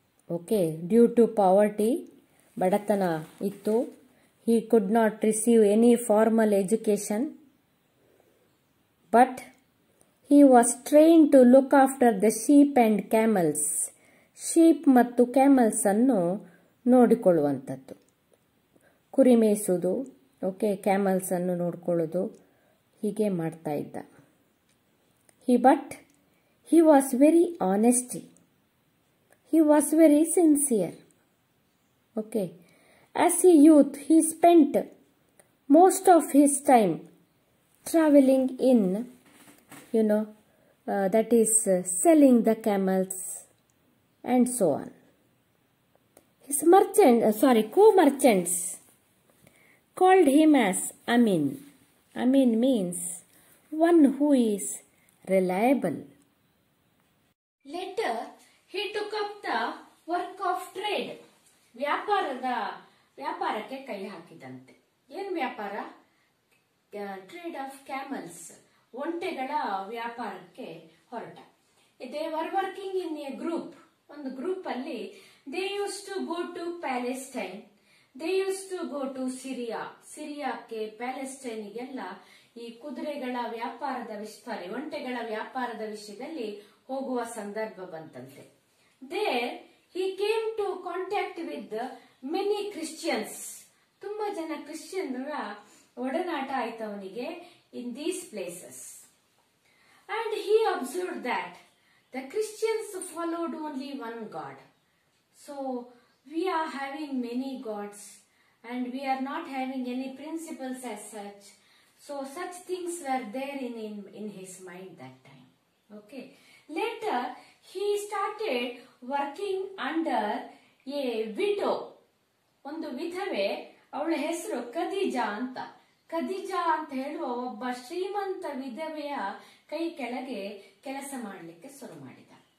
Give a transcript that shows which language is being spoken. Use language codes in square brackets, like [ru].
[en] Okay, due to poverty, [kn] badatana ittu, [en] he could not receive any formal education. But he was trained to look after the sheep and camels. [kn] Sheep ಮತ್ತು camels ಅನ್ನು ನೋಡಿಕೊಳ್ಳುವಂಥದ್ದು, ಕುರಿ ಮೇಯಿಸೋದು, okay, camels ಅನ್ನು ನೋಡಿಕೊಳ್ಳೋದು, ಹೀಗೆ ಮಾಡ್ತಾ ಇದ್ದ. [en] But he was very honesty, he was very sincere. Okay, as he youth he spent most of his time travelling in you know that is selling the camels and so on. His merchant, co-merchants called him as Amin. Amin means one who is reliable. Later, he took up the work of trade. [kn] Vyaparakke kai hakidante. Yen vyapara? [en] Trade of camels. [kn] Ontegala vyaparakke horata. [en] They were working in a group. [kn] ಒಂದು group ಅಲ್ಲಿ [en] They used to go to Palestine, they used to go to Syria. [kn] ಸಿರಿಯಾಕ್ಕೆ ಪ್ಯಾಲೆಸ್ಟೈನ್ಗೆಲ್ಲ ಈ ಕುದುರೆಗಳ ವ್ಯಾಪಾರದ ವಿಷಯ, ಸಾರಿ, ಒಂಟೆಗಳ ವ್ಯಾಪಾರದ ವಿಷಯದಲ್ಲಿ ಹೋಗುವ ಸಂದರ್ಭ ಬಂತಂತೆ. [en] There he came to contact with many Christians. [kn] ತುಂಬಾ ಜನ ಕ್ರಿಶ್ಚಿಯನ್ರ ಒಡನಾಟ ಆಯ್ತು ಅವನಿಗೆ [en] In these places. And he observe that the Christians followed only one God. So we are having many gods and we are not having any principles as such. So such things were there in his mind that time. Okay. Later he started working under a widow. [kn] ಒಂದು ವಿಧವೆ, ಅವಳ ಹೆಸರು ಖದೀಜಾ ಅಂತ. ಖದೀಜಾ ಅಂತ ಹೇಳುವ ಒಬ್ಬ ಶ್ರೀಮಂತ ವಿಧವೆಯ ಕೈ ಕೆಳಗೆ ಕೆಲಸ ಮಾಡಲಿಕ್ಕೆ ಶುರು ಮಾಡಿದ.